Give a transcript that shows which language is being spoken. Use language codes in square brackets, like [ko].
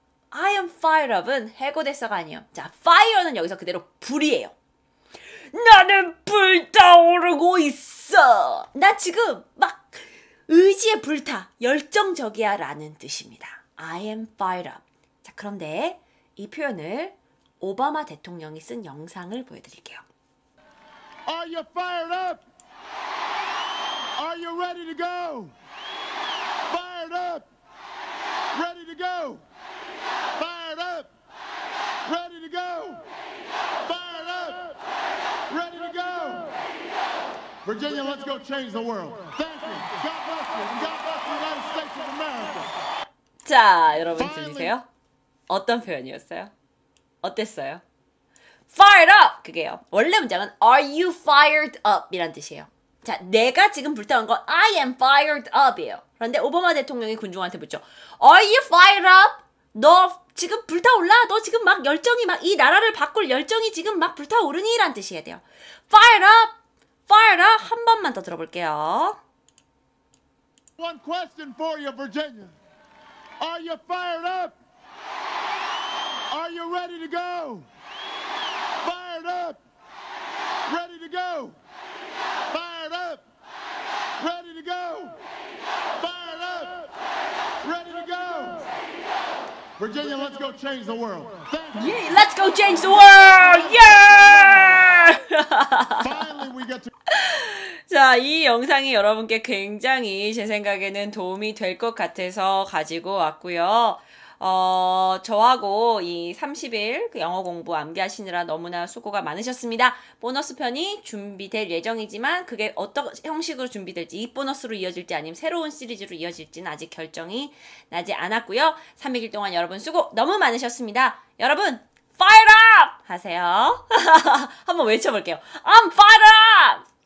[en] I am fired up [ko] 은 해고됐어가 아니에요. 자, fire는 여기서 그대로 불이에요. 나는 불타오르고 있어! 나 지금 막 의지에 불타, 열정적이야 라는 뜻입니다. [en] I am fired up. [ko] 자, 그런데 이 표현을 오바마 대통령이 쓴 영상을 보여드릴게요. [en] Are you fired up? Are you ready to go? Fired up! Ready to go! Fired up! Ready to go! Fired up! Ready to go! Virginia, let's go change the world. Thank you. God bless you. And God bless the United States of America. [ko] 자, 여러분 들리세요? 어떤 표현이었어요? 어땠어요? [en] Fired up! [ko] 그게요. 원래 문장은 [en] Are you fired up? [ko] 이란 뜻이에요. 자, 내가 지금 불타는 건 [en] I am fired up [ko] 이에요. 그런데 오바마 대통령이 군중한테 묻죠. [en] Are you fired up? [ko] 너 지금 불타올라? 너 지금 막 열정이 막이 나라를 바꿀 열정이 지금 막 불타오르니? 이란 뜻이 해야 돼요. [en] Fired up! Fired up [ko] 한 번만 더 들어볼게요. [en] One question for you, Virginia. Are you fired up? Are you ready to go? Fired up. Ready to go. Fired up. Ready to go. Fired up. Ready to go. Virginia, let's go change the world. Yeah, let's go change the world. Yeah. Finally, we get to. [ko] 자, 이 영상이 여러분께 굉장히 제 생각에는 도움이 될 것 같아서 가지고 왔고요. 저하고 이 30일 영어 공부 암기하시느라 너무나 수고가 많으셨습니다. 보너스 편이 준비될 예정이지만 그게 어떤 형식으로 준비될지, 이 보너스로 이어질지 아니면 새로운 시리즈로 이어질지는 아직 결정이 나지 않았고요. 300일 동안 여러분 수고 너무 많으셨습니다. 여러분, [en] fired up! [ko] 하세요. 한번 외쳐볼게요. [en] I'm fired up!